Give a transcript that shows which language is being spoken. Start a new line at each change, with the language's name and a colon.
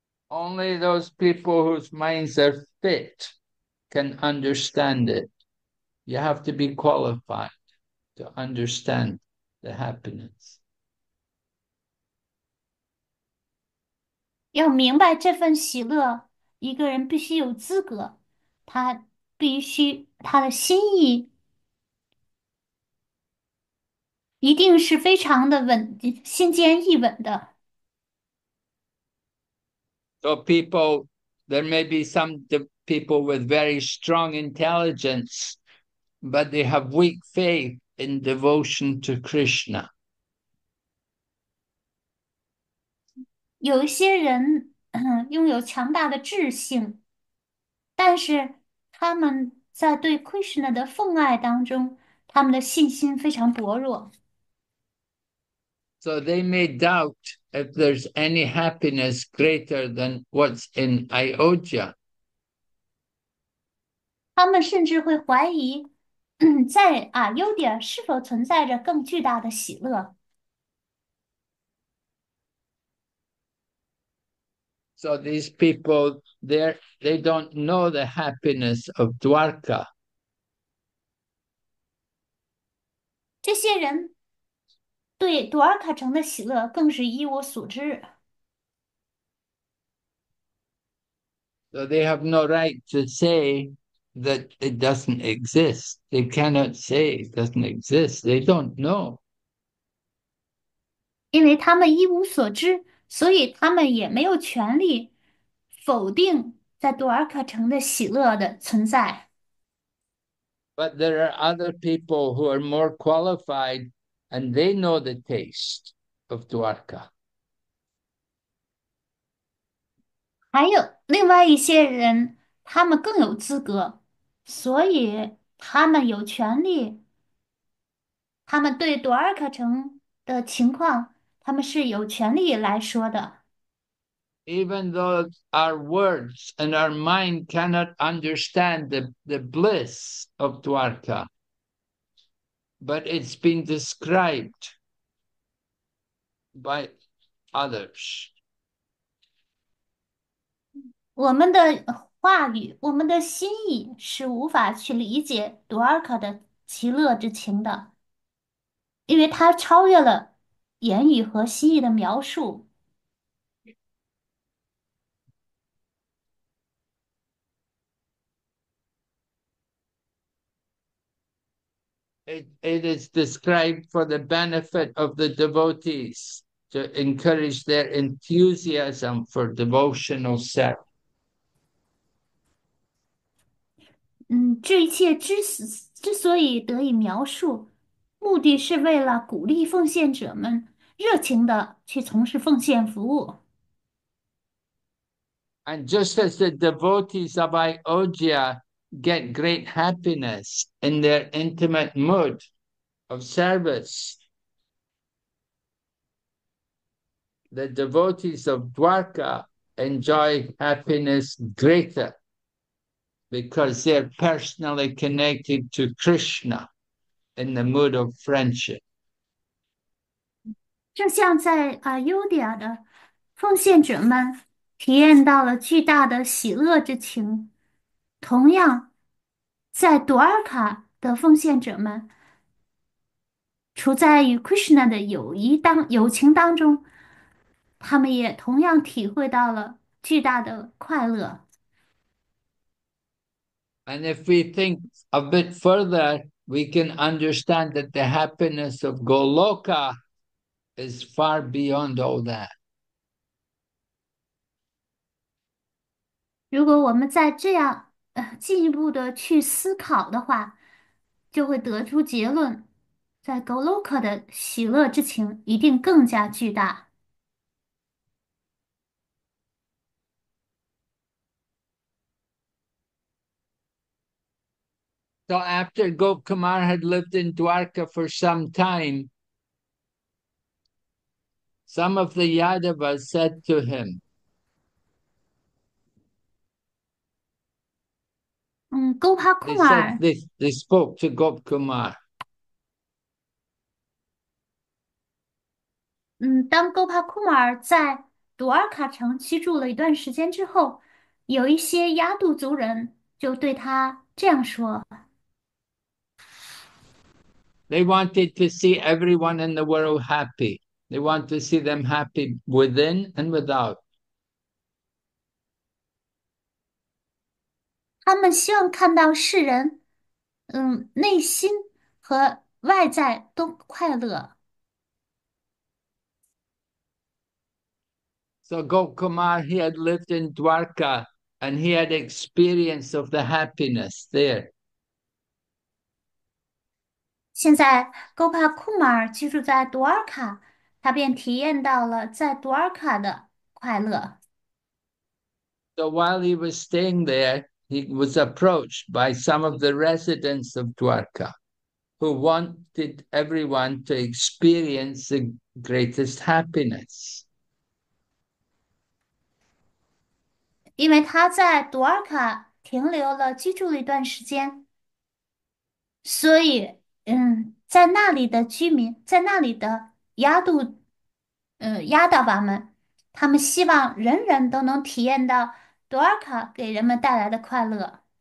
English: Only those people whose minds are fit can understand it. You have to be qualified to understand the happiness.
Chinese: 要明白这份喜乐，一个人必须有资格，他的心意一定是非常的稳，心坚意稳的。
English: So people, there may be some people with very strong intelligence, but they have weak faith in devotion to Krishna.
Chinese: 有一些人拥有强大的智性，但是他们在对 Krishna 的奉爱当中，他们的信心非常薄弱。
English: So they may doubt if there's any happiness greater than what's in Ayodhya.
Chinese: 他们甚至会怀疑，在Ayodhya 是否存在着更巨大的喜乐。
English: So these people, they don't know the happiness of Dwarka.
Chinese: 这些人对多尔卡城的喜乐更是一无所知。
English: So they have no right to say that it doesn't exist. They cannot say it doesn't exist. They don't know.
Chinese: 因为他们一无所知，所以他们也没有权利否定在多尔卡城的喜乐的存在。
English: But there are other people who are more qualified and they know the taste of Dwarka.
Chinese: 还有另外一些人，他们更有资格，所以他们有权利。他们对多尔卡城的情况，他们是有权利来说的。
English: Even though our words and our mind cannot understand the bliss of Dwarka, but it's been described by others.
Chinese: 我们的话语，我们的心意是无法去理解多尔卡的其乐之情的，因为它超越了言语和心意的描述。
English: It is described for the benefit of the devotees to encourage their enthusiasm for devotional service.
Chinese: 这一切之所以得以描述，目的是为了鼓励奉献者们热情地去从事奉献服务。
English: And just as the devotees of Ayodhya get great happiness in their intimate mood of service. The devotees of Dwarka enjoy happiness greater because they're personally connected to Krishna in the mood of friendship.
Chinese: 就像在Ayodhya 的奉献者们体验到了巨大的喜乐之情，同样，在 Dwarka 的奉献者们处在与 Krishna 的友情当中，他们也同样体会到了巨大的快乐。
English: And if we think a bit further, we can understand that the happiness of Goloka is far beyond all that.
Chinese: 如果我们再这样进一步的去思考的话，就会得出结论，在 Goloka 的喜乐之情一定更加巨大。
English: So after Gop Kumar had lived in Dwarka for some time, some of the Yadavas said to him,
Chinese: Gopa 库
English: they said
Chinese: 尔，
English: this, they spoke to Gop Kumar.
Chinese: 当 Gopa 库尔在朵尔卡城居住了一段时间之后，有一些亚杜族人就对他这样说。
English: They wanted to see everyone in the world happy. They want to see them happy within and without.
Chinese: 他们希望看到世人，内心和外在都快乐。
English: So Gop Kumar, he had lived in Dwarka and he had experience of the happiness there.
Chinese: 现在，Gopa Kumar 居住在朵尔卡，他便体验到了在朵尔卡的快乐。
English: So while he was staying there, he was approached by some of the residents of Dwarka who wanted everyone to experience the greatest happiness.
Chinese: 因为他在朵尔卡停留了，居住了一段时间，所以，在那里的居民，在那里的亚达巴们，他们希望人人都能体验到朵尔卡给人们带来的快乐。